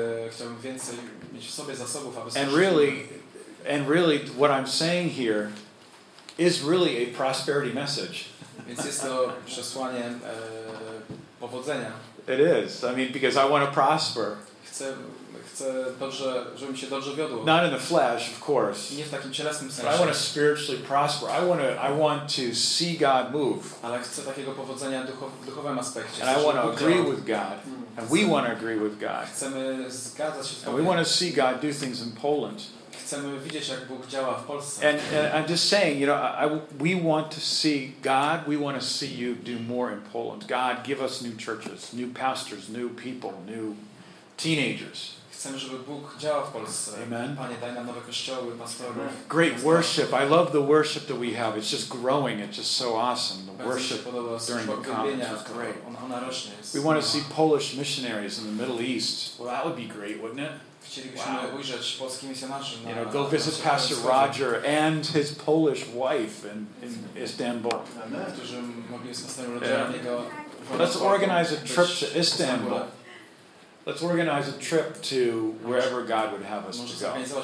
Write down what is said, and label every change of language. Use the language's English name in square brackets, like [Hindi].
[Polish] Chciałbym więcej mieć w sobie zasobów, aby służyć. [English] And really what I'm saying here is really a prosperity message. [Polish] Więc jest to przesłanie powodzenia. [English] It is. I mean, because I want to prosper. [Polish] Chcę dobrze, żeby mi się dobrze wiodło. [English] Not in the flesh, of course. [Polish] Nie w takim cielesnym sensie. [English] But I want to spiritually prosper. I want to see God move. [Polish] Ale chcę takiego powodzenia w duchowym aspekcie. [English] And I want to agree with God. And we want to agree with God. [Polish] Chcemy zgadzać się z Bogiem. [English] And we want to see God do things in Poland. [Polish] Chcemy widzieć, jak Bóg działa w Polsce. [English] And I'm just saying, you know, we want to see God, we want to see you do more in Poland. God, give us new churches, new pastors, new people, new teenagers. [Polish] Chcemy, żeby Bóg działał w Polsce. [English] Amen. [Polish] Panie, daj nam nowe kościoły, pastorów. [English] Great worship. I love the worship that we have. It's just growing. It's just so awesome. The worship during the conference was great. [Polish] Ona rośnie. [English] We want to see Polish missionaries in the Middle East. Well, that would be great, wouldn't it? [Polish] Chcielibyśmy ujrzeć polskich misjonarzy. [English] You know, go visit Pastor Roger and his Polish wife in Istanbul. [Polish] Amen. Którzy mogli z pastorem Rogerem jego... [English] Let's organize a trip to Istanbul. Let's organize a trip to wherever God would have us to go.